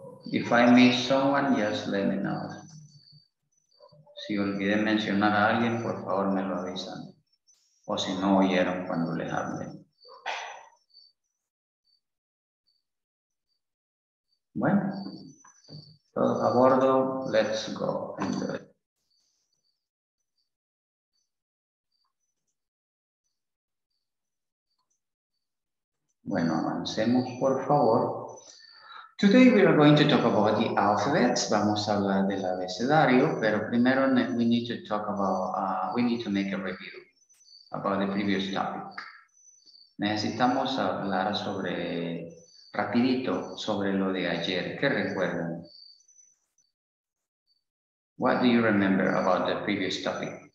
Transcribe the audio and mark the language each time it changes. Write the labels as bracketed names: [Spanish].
[English] If I miss someone, just let me know. [Spanish] Si olvidé mencionar a alguien, por favor me lo avisan. O si no oyeron cuando les hablé. Bueno, todos a bordo, [English] let's go. Enjoy. [Spanish] Bueno, avancemos, por favor. [English] Today we are going to talk about the alphabets. [Spanish] Vamos a hablar del abecedario, pero primero [English] we need to talk about, we need to make a review about the previous topic. [Spanish] Necesitamos hablar sobre, rapidito, sobre lo de ayer. ¿Qué recuerdan? [English] What do you remember about the previous topic?